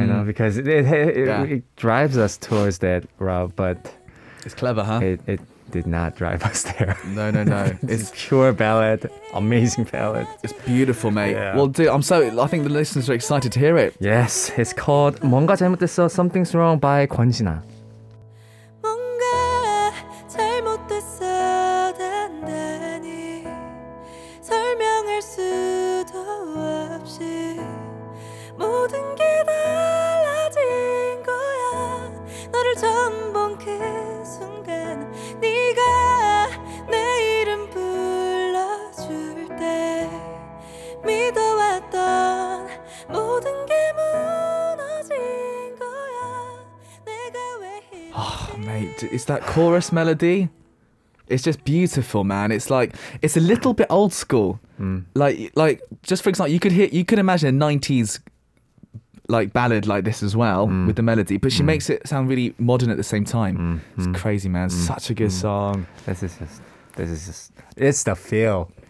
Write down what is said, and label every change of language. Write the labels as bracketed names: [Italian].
[English] You know, because it drives us towards that route, but it's clever, huh? It did not drive us there. No. It's pure ballad. Amazing ballad. It's beautiful, mate. Yeah. Well, dude, I think the listeners are excited to hear it. Yes, it's called 뭔가 잘못됐어, Something's Wrong by 권진아. [Korean] 뭔가 잘못됐어 단단히 설명할 수도 없이 모든 게 달라진 거야 너를 처음 본 그 순간 네가 내 이름 불러줄 때 믿어왔던 모든 게 무너진 거야 내가 왜 이렇게 [English] Oh, mate, is that chorus melody? It's just beautiful, man. It's like, it's a little bit old school. Mm. Like, just for example, you could imagine a 90s like ballad like this as well with the melody, but she makes it sound really modern at the same time. Mm. It's crazy, man. Mm. Such a good song. This is just, it's the feel.